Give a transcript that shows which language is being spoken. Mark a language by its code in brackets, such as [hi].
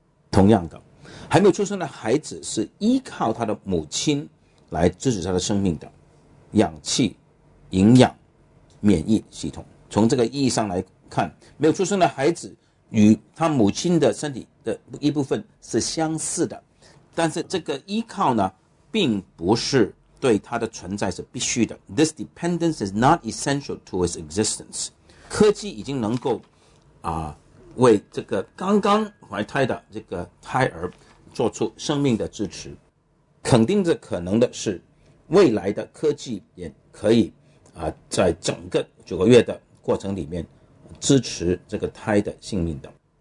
[zh] 同样的，还没有出生的孩子是依靠他的母亲来支持他的生命的氧气、营养、免疫系统。从这个意义上来看，没有出生的孩子与他母亲的身体的一部分是相似的，但是这个依靠呢并不是对他的存在是必须的。 [en] This dependence is not essential to his existence。 [zh] 科技已经能够为这个刚刚怀胎的这个胎儿做出生命的支持。肯定的可能的是，未来的科技也可以在整个九个月的过程里面支持这个胎的性命的。